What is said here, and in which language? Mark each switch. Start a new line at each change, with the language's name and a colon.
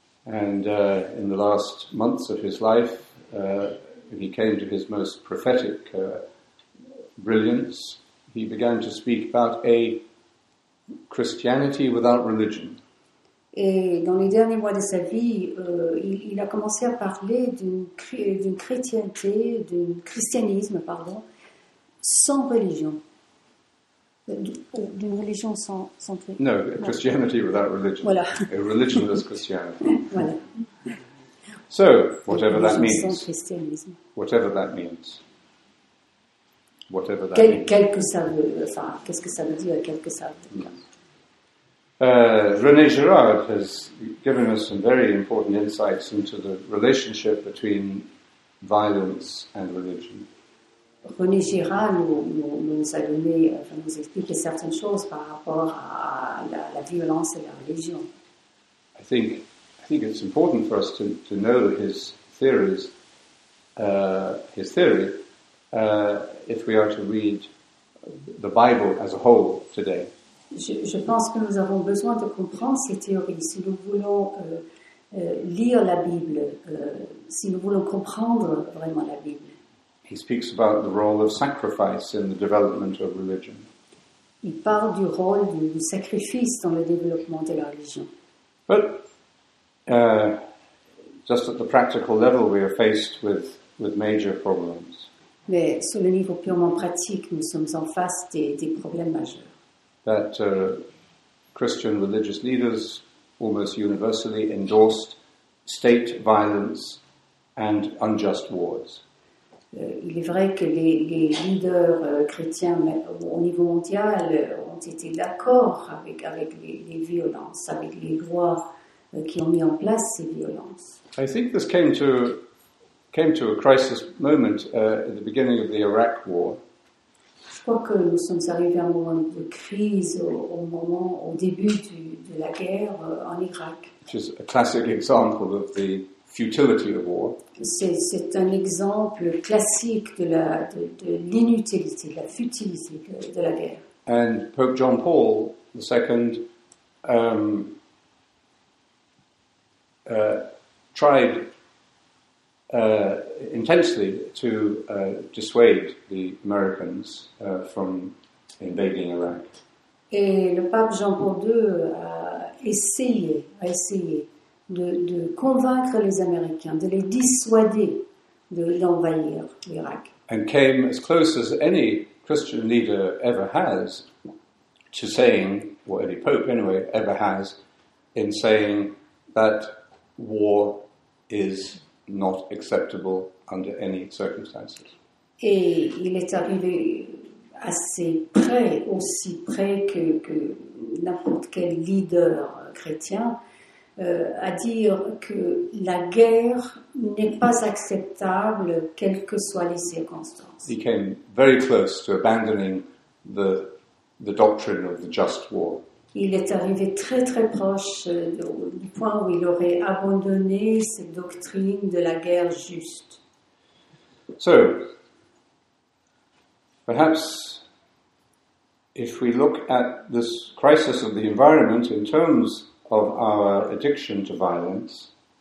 English: And in the last months of his life, he came to his most prophetic brilliance. He began to speak about a Christianity without religion.
French: Et dans les derniers mois de sa vie, il a commencé à parler d'une chrétienté, d'un christianisme, pardon, sans religion. D'une religion sans
English: religion. No, a Christianity without religion.
French: Voilà.
English: A religionless Christianity.
French: Voilà.
English: So, whatever that means.
French: Sans christianisme.
English: Whatever that means. Whatever that means.
French: Quel que ça veut, enfin, qu'est-ce que ça veut dire, quel que ça veut dire.
English: René Girard has given us some very important insights into the relationship between violence and religion.
French: René Girard nous a donné, enfin, nous explique certaines choses par rapport à la violence et la religion.
English: I think it's important for us to know his theories, his theory, if we are to read the Bible as a whole today.
French: Je pense que nous avons besoin de comprendre ces théories si nous voulons lire la Bible, si nous voulons comprendre vraiment la Bible.
English: He speaks about the role of sacrifice in the development of religion.
French: Il parle du rôle du sacrifice dans le développement de la religion.
English: But just at the practical level, we are faced with major problems.
French: Mais sur le niveau purement pratique, nous sommes en face des problèmes majeurs.
English: That Christian religious leaders almost universally endorsed state violence and unjust wars.
French: Il est vrai que les leaders chrétiens au niveau mondial ont été d'accord avec les violences, avec les lois qui ont mis en place ces violences.
English: I think this came to a crisis moment at the beginning of the Iraq War.
French: Je crois que nous sommes arrivés à un moment de crise au début de la guerre en Irak.
English: Which is a classic example of the futility of war.
French: C'est un exemple classique de l'inutilité, de la futilité de la guerre.
English: And Pope John Paul II tried intensely to dissuade the Americans from invading Iraq.
French: Et le pape Jean-Paul II a essayé de convaincre les Américains, de les dissuader d'envahir l'Irak.
English: And came as close as any Christian leader ever has to saying, or any pope anyway ever has, in saying that war is not acceptable under any circumstances.
French: Et il est arrivé assez près, aussi près que n'importe quel leader chrétien, à dire que la guerre n'est pas acceptable, quelles que soient les circonstances.
English: He came very close to abandoning the doctrine of the just war.
French: Il est arrivé très très proche du point où il aurait abandonné cette doctrine de la guerre juste.
English: So, perhaps if we look at this crisis of the environment in terms of our addiction to violence.